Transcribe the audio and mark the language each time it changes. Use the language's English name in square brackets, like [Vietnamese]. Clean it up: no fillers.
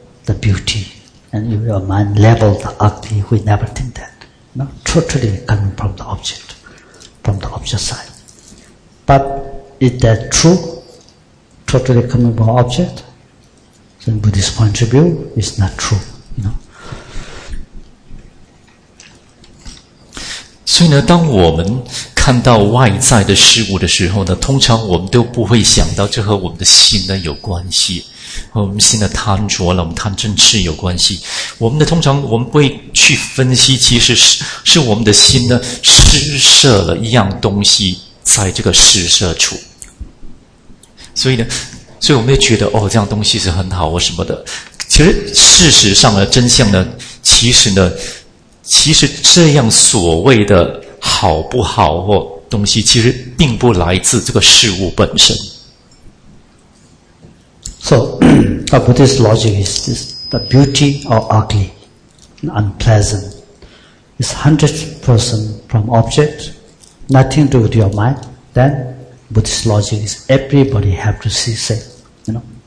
[English] The beauty and your mind level the ugly, we never think that. No, totally coming from the object, from the object side. But is that true? Totally coming from object? Then Buddhist point of view is not true, you know. [Chinese] 所以呢，当我们看到外在的事物的时候呢，通常我们都不会想到这和我们的心呢有关系。和我们心的贪着了，我们贪嗔痴有关系。我们的通常我们不会去分析，其实是我们的心呢施舍了一样东西在这个施舍处。所以我们就觉得哦，这样东西是很好或什么的。其实事实上的真相呢，其实这样所谓的好不好或东西，其实并不来自这个事物本身。 [English] So, a Buddhist logic is this, the beauty or ugly, unpleasant, is 100% from object, nothing to do with your mind, then Buddhist logic is everybody have to see same, you know.